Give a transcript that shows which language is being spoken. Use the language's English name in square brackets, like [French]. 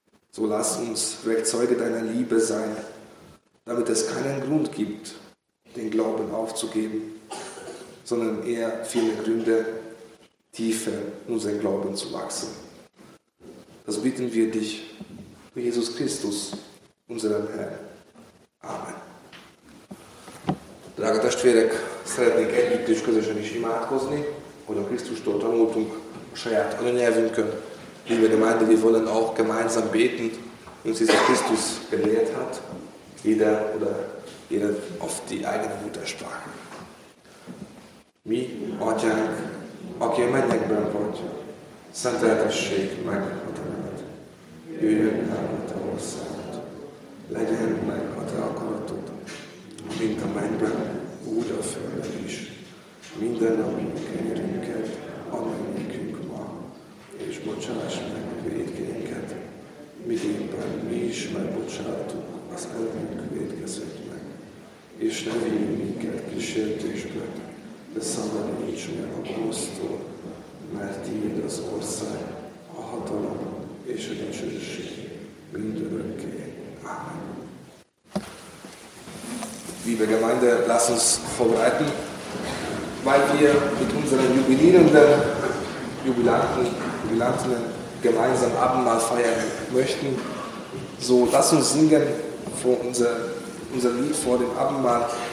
[German] So lass uns Werkzeuge deiner Liebe sein, damit es keinen Grund gibt, den Glauben aufzugeben, sondern eher viele Gründe, tiefer in unseren Glauben zu wachsen. Das bitten wir dich, durch Jesus Christus, unseren Herrn. Amen. [Hungarian] Drága testvérek, szeretnénk együtt és közösen is imádkozni, hogy a Krisztustól tanultunk a saját anyanyelvünkön. [German] Liebe Gemeinde, wir wollen auch gemeinsam beten, uns Jesus Christus gelehrt hat, jeder oder jeder auf die eigene Muttersprache. [Hungarian] Mi, Atyánk, aki a mennyekben vagy, szenteltessék meg a te nevet. Jöjjön el a te országod. Legyen meg a te akaratod, mint a mennyben, úgy a földön is. Minden napi kenyerünket add meg nékünk ma, és bocsáss meg vétkeinket, miképpen mi is megbocsátunk az ellenünk vétkezőknek. És ne vigy minket kísértésbe, de szabadíts meg a gonosztól, mert tiéd az ország, a hatalom és a dicsőség mindörökké. Amen. [German] Liebe Gemeinde, lass uns vorbereiten, weil wir mit unseren jubilierenden Jubilanten, Jubilantinnen gemeinsam Abendmahl feiern möchten. So, lass uns singen unser Lied vor dem Abendmahl.